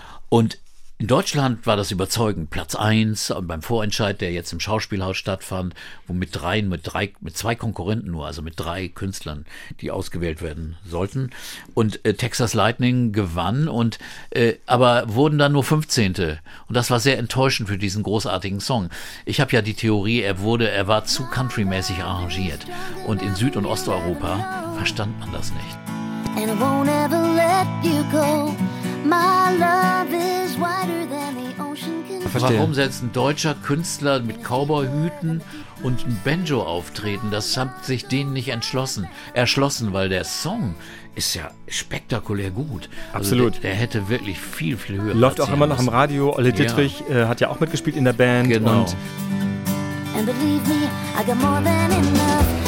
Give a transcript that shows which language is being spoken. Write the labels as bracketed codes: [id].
[de] Und in Deutschland war das überzeugend. Platz 1 beim Vorentscheid, der jetzt im Schauspielhaus stattfand, wo mit zwei Konkurrenten nur, also mit drei Künstlern, die ausgewählt werden sollten. Und Texas Lightning gewann, und aber wurden dann nur 15. Und das war sehr enttäuschend für diesen großartigen Song. Ich habe ja die Theorie, er war zu countrymäßig arrangiert. Und in Süd- und Osteuropa verstand man das nicht. [en] And I won't ever let you go. My love is wider than the ocean can fathom. [de] Warum setzt ein deutscher Künstler mit Cowboyhüten und ein Banjo auftreten? Das hat sich denen nicht erschlossen, weil der Song ist ja spektakulär gut. Absolut. Also der hätte wirklich viel, viel höher. Läuft auch immer noch im Radio. Olle Dittrich hat ja auch mitgespielt in der Band. Genau. Und [en] believe me, I got more than enough.